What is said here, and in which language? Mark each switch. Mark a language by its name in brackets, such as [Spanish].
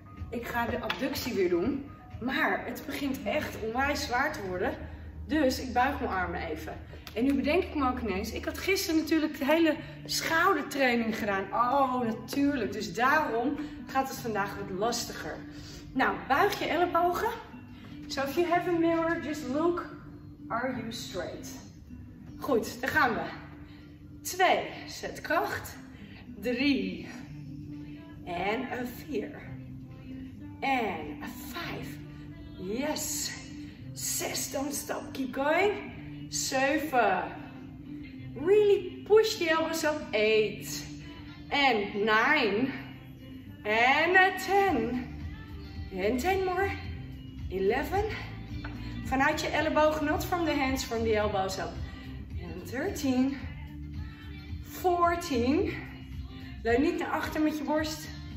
[Dutch] Ik ga de abductie weer doen. Maar het begint echt onwijs zwaar te worden. Dus ik buig mijn armen even. En nu bedenk ik me ook ineens. Ik had gisteren natuurlijk de hele schoudertraining gedaan. Oh, natuurlijk. Dus daarom gaat het vandaag wat lastiger. Nou, buig je ellebogen. [English] So if you have a mirror, just look. Are you straight? [Dutch] Goed, daar gaan we. 2. Zet kracht. 3. En 4. En 5. [English] Yes. 6. Don't stop. Keep going. 7. Really push the elbows up. 8. [Dutch] En 9. En 10. En 10 more. 11. Vanuit je elleboog, [English] not from the hands, from the elbows up. [Dutch] En 13. 14. Leun niet naar achter met je borst.